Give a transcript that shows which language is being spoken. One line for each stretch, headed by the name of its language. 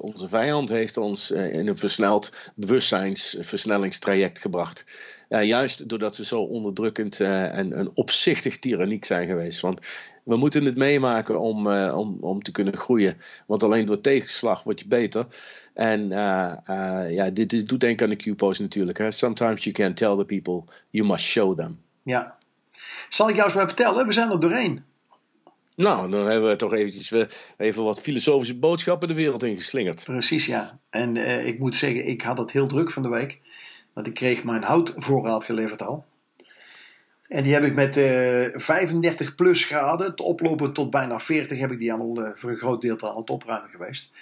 Dutch: Onze vijand heeft ons in een versneld bewustzijnsversnellingstraject gebracht. Juist doordat ze zo onderdrukkend en een opzichtig tyranniek zijn geweest. Want we moeten het meemaken om te kunnen groeien. Want alleen door tegenslag word je beter. En dit doet denken aan de Q-pose natuurlijk. Hè?
English: Sometimes you can't tell the people, you must show them.
Dutch: Ja. Zal ik jou eens maar vertellen? We zijn er doorheen. Nou, dan hebben we toch even wat filosofische boodschappen de wereld ingeslingerd. Precies, ja. En ik moet zeggen, ik had het heel druk van de week. Want ik kreeg mijn houtvoorraad geleverd al. En die heb ik met 35 plus graden, het oplopen tot bijna 40, heb ik die al voor een groot deel aan het opruimen geweest.